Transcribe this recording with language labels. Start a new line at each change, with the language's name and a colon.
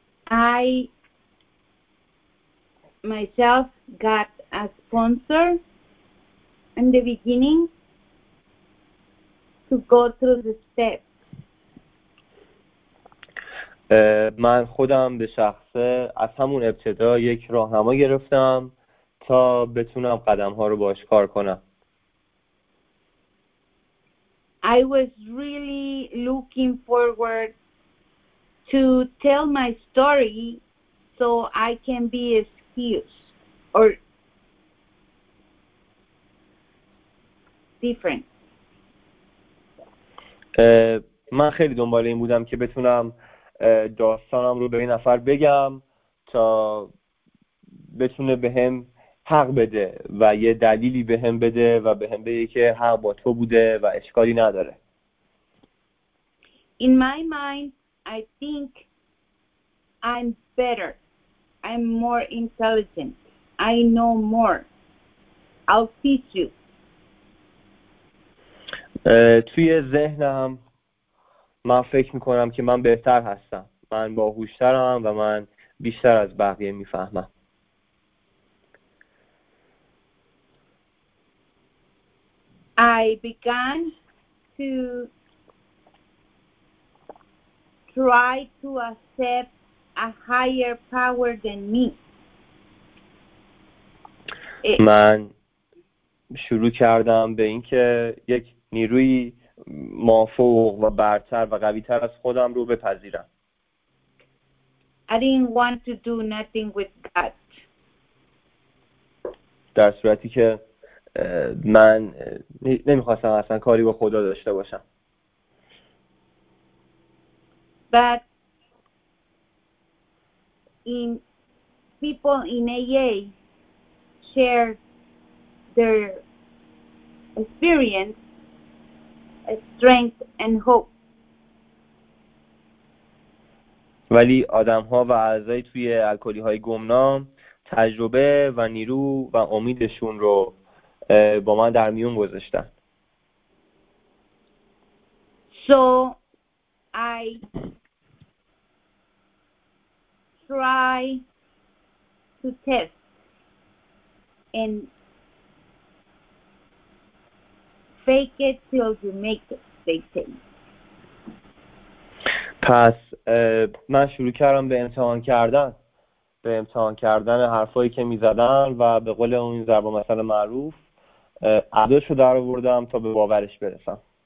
English: I myself got a sponsor in the beginning to go through the steps.
Persian: من خودم به شخصه از همون ابتدا یک راهنما گرفتم تا بتونم قدم ها رو باش کار کنم.
English: I was really looking forward to tell my story so I can be excused or different.
Persian: من خیلی دنبال این بودم که بتونم داستانم رو به این نفر بگم تا بتونه به هم حق بده و یه دلیلی به هم بده و به هم بگه که حق با تو بوده و اشکالی نداره.
English: In my mind, I think I'm better. I'm more intelligent. I know more. I'll teach you.
Persian: توی ذهنم من فکر میکنم که من بهتر هستم. من باهوشترم و من بیشتر از بقیه میفهمم.
English: I began to try to accept a higher power than me.
Persian: من شروع کردم به اینکه یک نیروی مافوق و برتر و قوی تر از خودم رو بپذیرم.
English: I didn't want to do nothing with God.
Persian: در صورتی که من نمیخواستم اصلا کاری با خدا داشته باشم.
English: But in people in AA share their experience, strength and hope.
Persian: ولی آدم‌ها و اعضای توی الکلی‌های گمنام تجربه و نیرو و امیدشون رو با من در میون گذاشتن.
English: So I try to test and fake it till you make it, they say.
Persian: پس من شروع کردم به امتحان کردن. به امتحان کردن حرفایی که می زدن و به قول اون ضرب المثل معروف عدش رو در آوردم تا به باورش برسم.